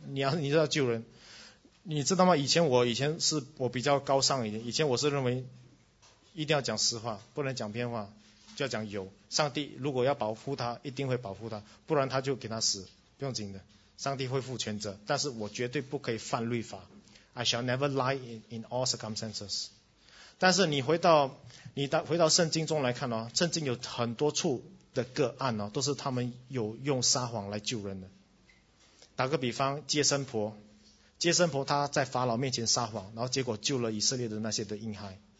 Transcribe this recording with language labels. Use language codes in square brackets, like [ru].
[zh] 你要救人？你知道吗？以前我比较高尚一点，以前我是认为一定要讲实话，不能讲骗话，就要讲有。上帝如果要保护他，一定会保护他，不然他就给他死，不用紧的，上帝会负全责。但是我绝对不可以犯律法。 [en] I shall never lie in all circumstances. [zh] 但是你回到圣经中来看哦，圣经有很多处的个案哦，都是他们有用撒谎来救人的。打个比方，接生婆他在法老面前撒谎，然后结果救了以色列的那些的婴孩。